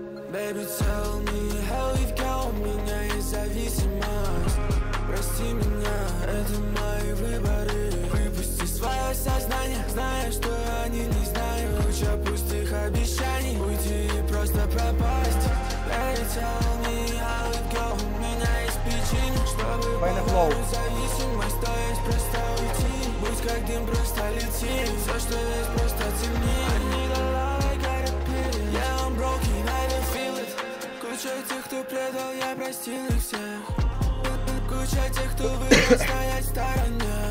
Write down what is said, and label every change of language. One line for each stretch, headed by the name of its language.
English: Baby, tell me how you've got me,
Russian: независимость. Прости меня, это мои выборы. Выпусти свое сознание, зная, что они не знают. Куча пустых обещаний, уйти и просто пропасть.
English: Baby, tell me how you've got me,
Russian: есть причины, чтобы помочь. Независимость, то есть просто уйти. Будь как дым, просто лети. Все, что есть, просто темни. Куча тех, кто предал, я простил их всех. Куча тех, кто выбрал стоять в стороне.